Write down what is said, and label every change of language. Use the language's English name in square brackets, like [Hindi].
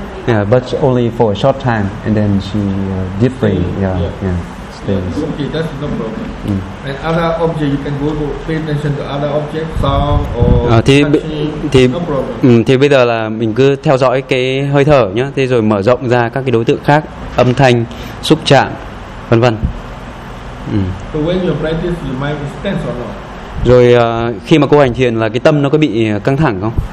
[English] Yeah, but only for a short time, and then she deeply, stays. Okay, that's no problem. And other object, you can go to pay attention to other object, sound or touching, no problem. [Vietnamese] Thì bây giờ là mình cứ theo dõi cái hơi thở nhá, thế rồi mở rộng ra các cái đối tượng khác, âm thanh, xúc chạm, vân vân. [English] So when you practice, your mind is tense or not? [Vietnamese] Rồi khi mà cô hành thiền là cái tâm nó có bị căng thẳng không?